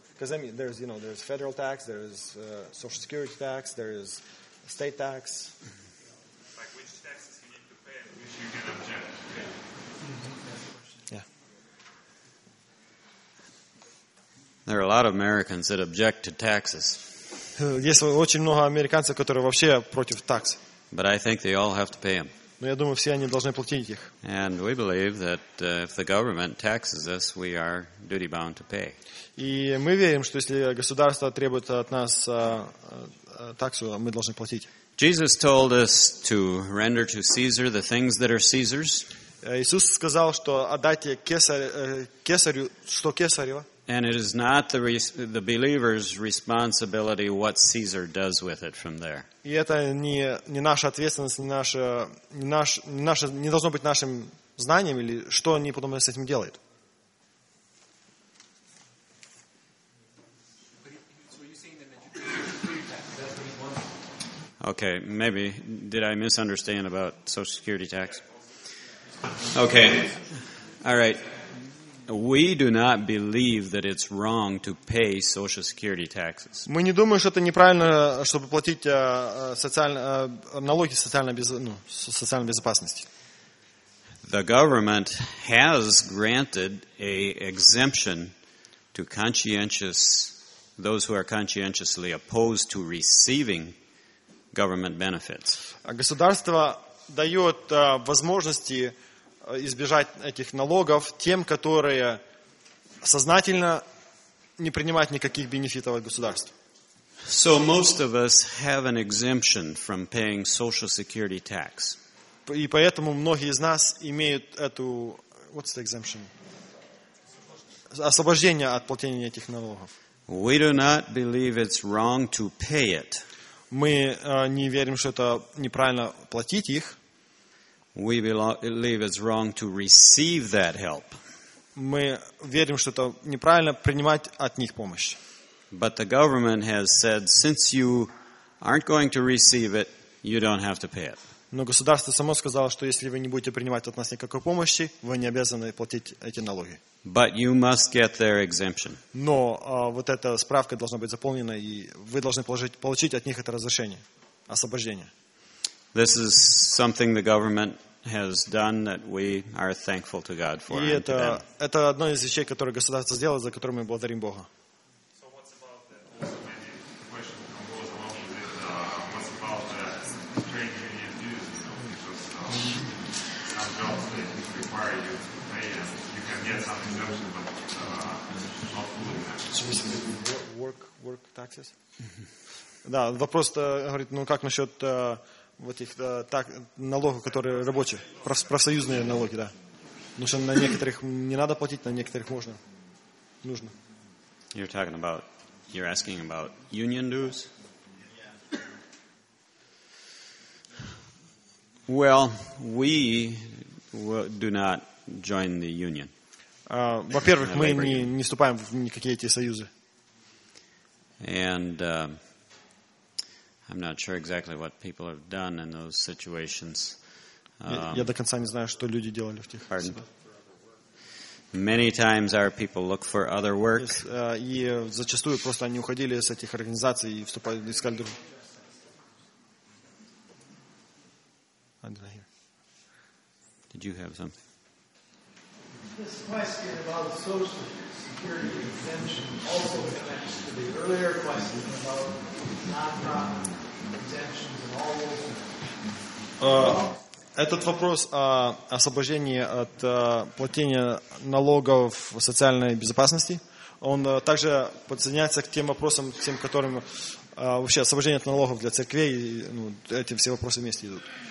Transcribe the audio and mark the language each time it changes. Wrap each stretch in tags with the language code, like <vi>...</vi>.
<en>Because I mean, there's federal tax, there's social security tax, there is state tax. Like which taxes you need to pay and which you can object. There are a lot of Americans that object to taxes.</en> <ru>Есть очень много американцев, которые вообще против такс.</ru> <en>But I think they all have to pay them.</en> <ru>Но я думаю, все они должны платить их.</ru> <en>And we believe that if the government taxes us, we are duty bound to pay.</en> <ru>И мы верим, что если государство требует от нас таксу, мы должны платить.</ru> <en>Jesus told us to render to Caesar the things that are Caesar's.</en> <ru>Иисус сказал, что отдайте кесарю, что кесарево.</ru> <en>And it is not the believer's responsibility what Caesar does with it from there.</en> <ru>И это не наша ответственность, не должно быть нашим знанием или что они потом с этим делают.</ru> <en>Okay, maybe did I misunderstand about Social Security tax? Okay, all right. We do not believe that it's wrong to pay social security taxes.</en> <ru>Мы не думаем, что это неправильно, чтобы платить налоги социальной безопасности.</ru> <en>The government has granted an exemption to those who are conscientiously opposed to receiving government benefits.</en> <ru>Государство дает возможности избежать этих налогов тем, которые сознательно не принимают никаких бенефитов от государства.</ru> <en>So most of us have an exemption from paying social security tax.</en> <ru>И поэтому многие из нас имеют эту</ru> <en>what's the exemption?</en> <ru>Освобождение от платения этих налогов.</ru> <en>We do not believe it's wrong to pay it.</en> <ru>Мы не верим, что это неправильно платить их.</ru> <en>We believe it's wrong to receive that help.</en> <ru>Мы верим, что это неправильно принимать от них помощь.</ru> <en>But the government has said, since you aren't going to receive it, you don't have to pay it.</en> <ru>Но государство само сказало, что если вы не будете принимать от нас никакой помощи, вы не обязаны платить эти налоги.</ru> <en>But you must get their exemption.</en> <ru>Но вот эта справка должна быть заполнена, и вы должны получить от них это разрешение, освобождение.</ru> <en>This is something the government has done that we are thankful to God for.</en> <ru>И это одно из вещей, которое государство сделало, за которое мы благодарим Бога.</ru> <en>Work taxes.</en> <ru>Да, вопрос говорит, ну как насчет вот этих налогов, которые рабочие, профсоюзные налоги, да. Потому что на некоторых не надо платить, на некоторых можно, нужно.</ru> <en>You're asking about union dues? Well, we do not join the union.</en> <ru>Во-первых, мы не вступаем в никакие эти союзы.</ru> <en>And I'm not sure exactly what people have done in those situations.</en> <ru>Я до конца не знаю, что люди делали в тех ситуациях.</ru> <en>Many times our people look for other work.</en> <ru>И зачастую просто они уходили с этих организаций и вступали, искали другие.</ru> <en>Did you have something? This question about social security exemption also connects to the earlier question about nonprofit exemptions and all those</en> <ru>Этот вопрос о освобождении от платения налогов социальной безопасности, он также подсоединяется к тем вопросам, к тем, которым вообще освобождение от налогов для церквей, ну, эти все вопросы вместе идут.</ru>